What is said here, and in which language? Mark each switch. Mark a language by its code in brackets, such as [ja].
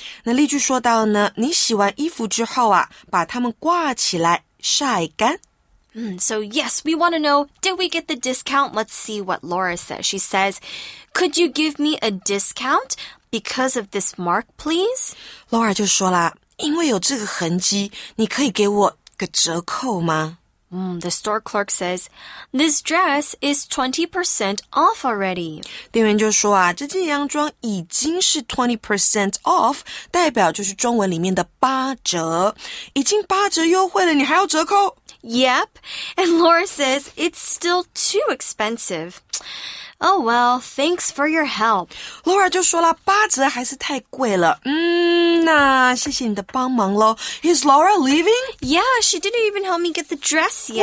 [zh] 那例句说到呢，你洗完衣服之后啊，把它们挂起来晒干。 [en] So yes, we want to know, did we get the discount? Let's see what Laura says. She says, could you give me a discount? Because of this mark, please? [zh] Laura 就说了，因为有这个痕迹，你可以给我个折扣吗？ [en] The store clerk says, this dress is 20% off already. [zh] 店员就说啊，这件洋装已经是 20% off, 代表就是中文里面的八折。已经八折优惠了，你还要折扣？ [en] Yep, and Laura says, it's still too expensive. Oh, well, thanks for your help. [zh] Laura 就说了，八折还是太贵了。那谢谢你的帮忙咯。 [en] Is Laura leaving? Yeah, she didn't even help me get the dress yet.